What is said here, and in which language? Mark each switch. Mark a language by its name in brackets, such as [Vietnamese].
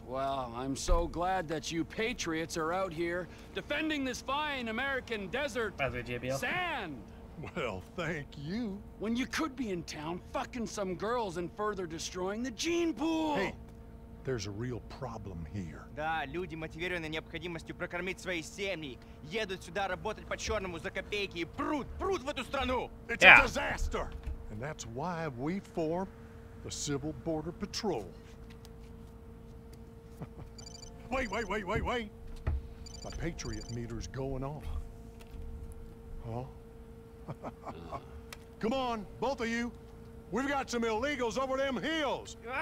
[English] Well, I'm so glad that you patriots are out here defending this fine American desert sand. Well, thank you. When you could be in town fucking some girls and further destroying the gene pool. Hey, there's a real problem here. [Russian] Да, люди, мотивированные необходимостью прокормить свои семьи, едут сюда работать по черному за копейки и прут в эту страну. [English] It's a disaster. And that's why we form the Civil Border Patrol. Wait. My Patriot meter's going off. Huh? Come on, both of you. We've got some illegals over them hills.